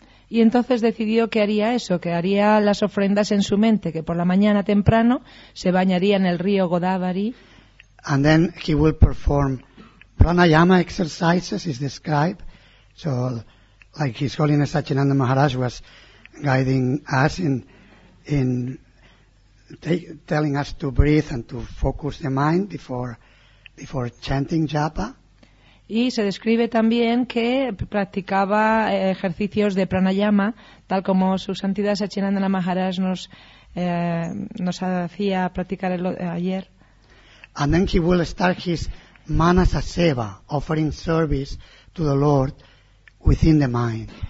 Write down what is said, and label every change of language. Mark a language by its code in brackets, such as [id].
[es] Y entonces decidió que haría eso, que haría las ofrendas en su mente, que por la mañana temprano se bañaría en el río Godavari. [en] And then he will perform pranayama exercises, is described. So, like His Holiness Achyananda Maharaj was guiding us in telling us to breathe and to focus the mind before chanting japa. [es] Y se describe también que practicaba ejercicios de pranayama, tal como su santidad Sachinandana Maharaj nos hacía practicar ayer. [en] And then he will start his manasa seva, offering service to the Lord within the mind.